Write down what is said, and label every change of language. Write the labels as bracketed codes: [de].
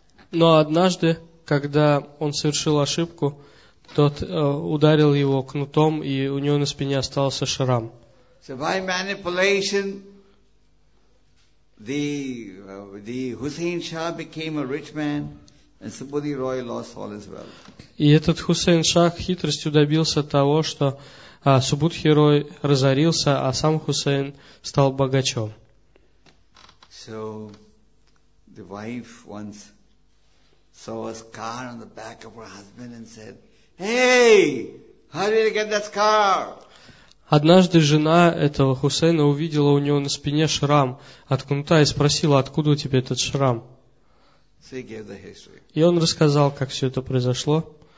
[ru] Но однажды, когда он совершил ошибку, тот ударил его кнутом, и у него на спине остался шрам. [en] So by manipulation, the Hussein Shah became a rich man. And Subhuti Roy lost all his wealth. [ru] И этот Хусейн Шах хитростью добился того, что Субудхи Рой разорился, а сам Хусейн стал богачом. [en] So the wife once saw a scar on the back of her husband and said, "Hey, how did you get that scar?" [ru] Однажды жена этого Хусейна увидела у него на спине шрам от кнута и спросила, откуда у тебя этот шрам? [en] So he gave the history. [ru] И он рассказал, как все это произошло.